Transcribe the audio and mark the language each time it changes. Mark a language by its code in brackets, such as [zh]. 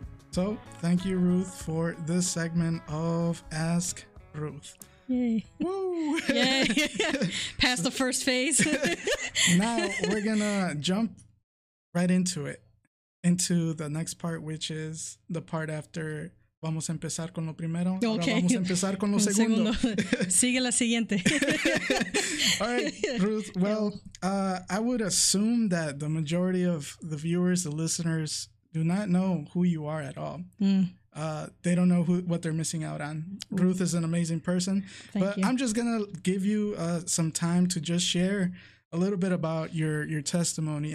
[en] So thank you, Ruth, for this segment of Ask Ruth. Yay. Woo! Yay! Past the first phase. Now we're going to jump right into the next part, which is the part after... [es] Vamos a empezar con lo primero. [en] Okay. [es] Ahora vamos a empezar con lo segundo. Sigue la siguiente. [en] All right, Ruth. Well, I would assume that the majority of the viewers, the listeners, do not know who you are at all. Mm. They don't know what they're missing out on. Ooh. Ruth is an amazing person. Thank you. I'm just going to give you some time to just share a little bit about your testimony.